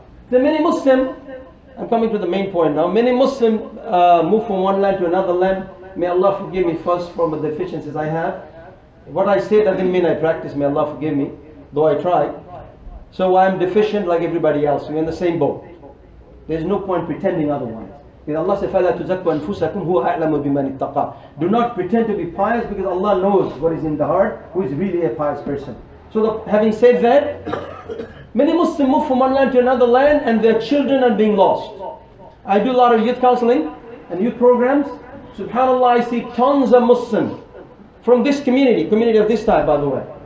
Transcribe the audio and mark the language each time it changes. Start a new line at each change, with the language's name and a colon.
English: There are many Muslims, I'm coming to the main point now, many Muslims move from one land to another land. May Allah forgive me first from the deficiencies I have. What I say doesn't mean I practice, may Allah forgive me, though I try. So I'm deficient like everybody else. We're in the same boat. There's no point pretending otherwise. If Allah says,
Arabic: فَلَا تُزَكُّ أَنفُسَكُمْ هُوَ أَعْلَمُ بِمَنِ اتَّقَى.
English: Do not pretend to be pious because Allah knows what is in the heart, who is really a pious person. So having said that, many Muslims move from one land to another land and their children are being lost. I do a lot of youth counseling and youth programs. SubhanAllah, I see tons of Muslims from this community of this type, by the way.